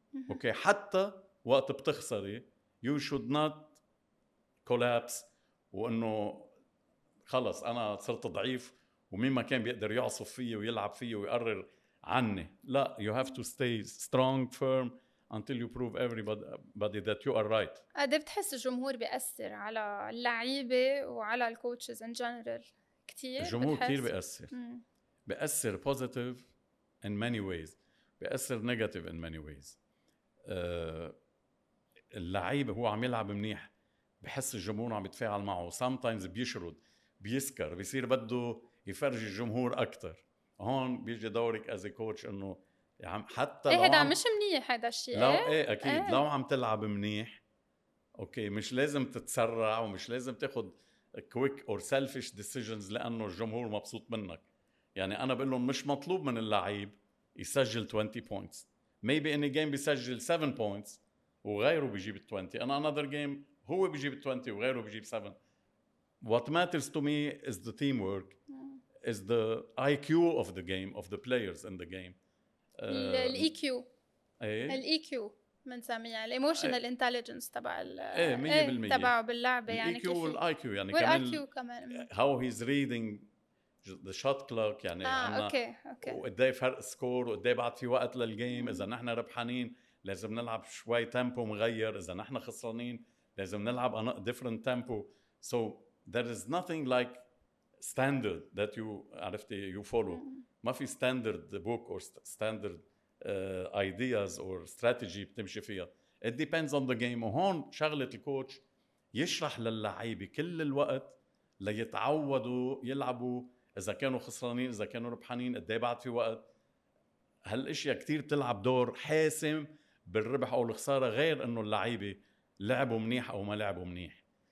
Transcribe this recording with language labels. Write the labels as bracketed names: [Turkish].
[Arabic] اوكي حتى وقت بتخسري [English] you should not collapse, [Arabic] وانه خلص انا صرت ضعيف ومين ما كان بيقدر يعصف فيه ويلعب فيه ويقرر عني، لا، [English] you have to stay strong firm until you prove everybody that you are right. [Arabic] أدي بتحس الجمهور بيأثر على اللعيبة وعلى الكوتشز in general كتير؟ الجمهور كتير بيأثر. بيأثر [English] positive in many ways، [Arabic] بيأثر [English] negative in many ways. [Arabic] اللعيبة هو عم يلعب منيح بحس الجمهور عم يتفاعل معه، sometimes بيشرد بيسكر بيصير بده يفرجي الجمهور أكتر، هون بيجي دورك [English] as a coach [Arabic] انه يعني حتى ايه هذا مش منيح هذا الشيء، لو ايه اكيد ايه. لو عم تلعب منيح اوكي مش لازم تتسرع ومش لازم تاخد [English] quick or selfish decisions [Arabic] لانه الجمهور مبسوط منك. يعني انا بقول لهم مش مطلوب من اللعيب يسجل 20 points، [English] maybe in a game [Arabic] بيسجل 7 points وغيره بيجيب 20، [English] and another game [Arabic] هو بيجيب 20 وغيره بيجيب 7. [English] what matters to me is the teamwork، is the IQ of the game, of the players in the game. [Arabic] الEQ. الEQ من سامية. [English] Emotional intelligence تبع [Arabic] الـ 100%. تبعه باللعبة يعني. الEQ والIQ يعني. والIQ كمان. [English] How he's reading the shot clock يعني. [Arabic] أوكي. وإداي فرق سكور وإداي بعد في وقت للجيم. إذا نحن ربحانين لازم نلعب شوي تيمبو مغير. إذا نحن خسرانين لازم نلعب [English] a different tempo. So there is nothing like standard that you [Arabic] عرفتي [English] you follow. ما في standard book or standard ideas or strategy [Arabic] بتمشي فيها. [English] It depends on the game. [Arabic] وهون شغلة الكوتش يشرح للعيبة كل الوقت ليتعودوا يلعبوا إذا كانوا خسرانين إذا كانوا ربحانين قد ايه بعد في وقت. هالأشياء كتير بتلعب دور حاسم بالربح أو الخسارة، غير إنه اللعيبة لعبوا منيح أو ما لعبوا منيح.